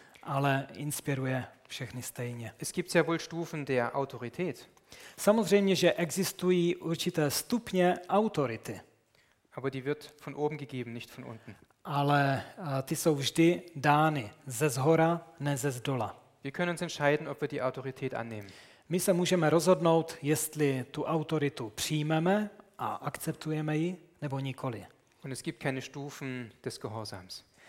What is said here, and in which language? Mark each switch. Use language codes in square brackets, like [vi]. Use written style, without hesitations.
[cs] ale inspiruje všechny stejně. [de] Es gibt ja wohl Stufen der Autorität. [cs] Samozřejmě, že existují určité stupně autority. [de] Aber die wird von oben gegeben, nicht von unten. [cs] Ale ty jsou vždy dány ze zhora, ne ze zdola. [de] Wir können uns entscheiden, ob wir die Autorität annehmen. [cs] My se můžeme rozhodnout, jestli tu autoritu přijmeme a akceptujeme ji, nebo nikoli. [de] Und es gibt keine Stufen des Gehorsams.